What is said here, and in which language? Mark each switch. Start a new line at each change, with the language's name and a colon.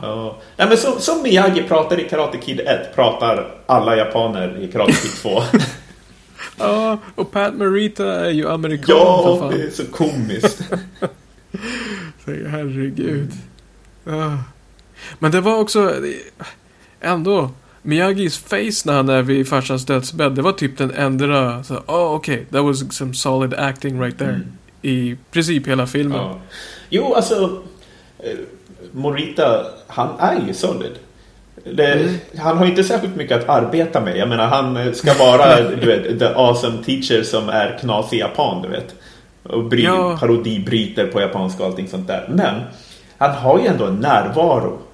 Swedish: Ja. Nej, men som Miyagi pratar i Karate Kid 1 pratar alla japaner i Karate Kid 2. Ja, och Pat Morita är ju amerikan. Ja, det är så komiskt. Herregud. Men det var också ändå Miyagis face när han är vid farsans dödsbädd. Det var typ den enda så,
English: oh, okay, that was some solid acting right there.
Swedish: I princip hela filmen. Jo, alltså Morita, han är ju solid. Han har inte särskilt mycket att arbeta med. Jag menar, han ska vara du vet,
English: the awesome teacher
Swedish: som är knas i Japan, du vet. Och parodibryter på japanska och allting sånt där. Men han har ju ändå en närvaro.